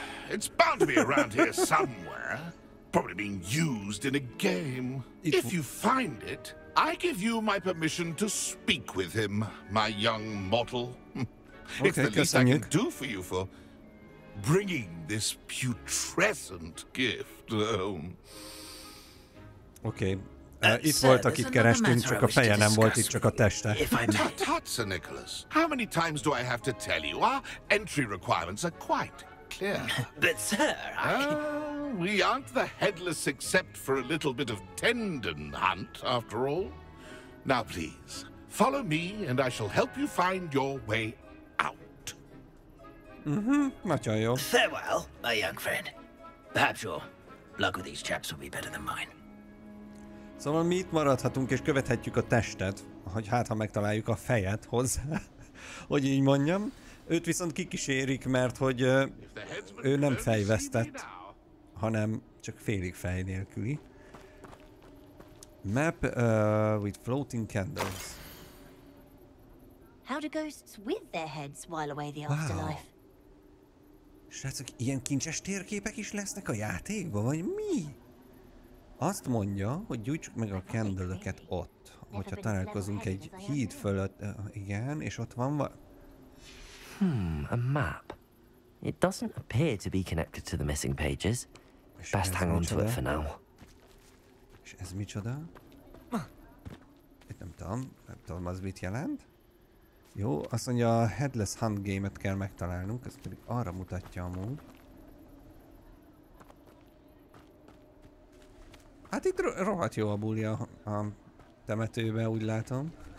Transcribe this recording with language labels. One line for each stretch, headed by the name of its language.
English: It's bound to be around here somewhere. Probably being used in a game. If you find it, I give you my permission to speak with him, my young mortal. It's okay, the least I can do for you for bringing this putrescent gift home. Okay.
Hungarian: Itt volt, akit kerestünk, csak a feje nem volt itt, csak a teste.
English: Tut, Sir Nicholas, how many times do I have to tell you? Our entry requirements are quite clear. But, sir, we aren't the headless except for a little bit of tendon hunt, after all. Now, please, follow me and I shall help you find your way out.
Hungarian: Nagyon jó.
English: Farewell, my young friend. Perhaps your luck with these chaps will be better than mine.
Hungarian: Szóval mi itt maradhatunk és követhetjük a testet, hogy hát ha megtaláljuk a fejet hozzá, hogy így mondjam. Őt viszont kikísérik, mert hogy ő nem fejvesztett, hanem csak félig fej nélküli.
English: Map with floating candles. How do ghosts with their heads while away the afterlife?
Hungarian: Srácok, ilyen kincses térképek is lesznek a játékban, vagy mi? Azt mondja, hogy gyújtsuk meg a candle-öket ott, hogyha találkozunk egy híd fölött, igen, és ott van val...
English: A map. It doesn't appear to be connected to the missing pages. Best hang on to it for now.
Hungarian: És ez micsoda? Itt nem tudom, nem tudom az mit jelent. Jó, azt mondja, a headless hunt game-et kell megtalálnunk, ez pedig arra mutatja amúgy. Hát itt rohadt jó a buli a temetőbe, úgy látom.